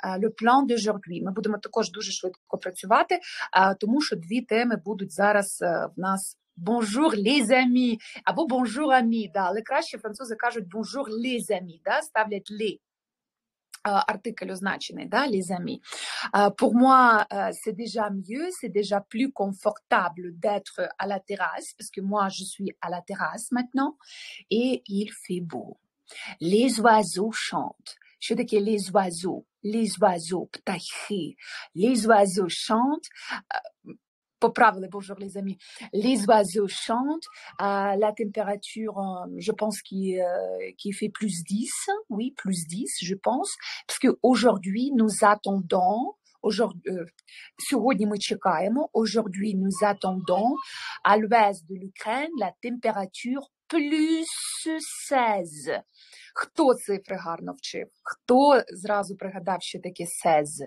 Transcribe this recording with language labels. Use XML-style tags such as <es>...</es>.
<fr>Le plan d'aujourd'hui.</fr> <uk>Ми будемо також дуже швидко працювати. Тому що дві теми будуть зараз в нас</uk> <fr>«Bonjour les amis»</fr> <uk>або</uk> <fr>«Bonjour amis»,</fr> <uk>да, але краще французи кажуть</uk> <fr>«Bonjour les amis»,</fr> <uk>да, ставлять «les», артикль означений, да,</uk> <fr>«les amis». Pour moi, c'est déjà mieux, c'est déjà plus confortable d'être à la terrasse, parce que moi, je suis à la terrasse maintenant, et il fait beau. Les oiseaux chantent.</fr> <uk>Що таке</uk> <fr>«les oiseaux»? Les oiseaux, птахи, les oiseaux chantent, поправили, bonjour les amis, les oiseaux chantent, la température, je pense qu'il fait plus 10, oui, plus 10, je pense, parce qu'aujourd'hui, nous attendons,</fr> <uk>сьогодні ми чекаємо,</uk> <fr>aujourd'hui, nous attendons, à l'ouest de l'Ukraine, la température plus 16.</fr> <uk>Хто цифри гарно вчив? Хто зразу пригадав, що таке сез?</uk>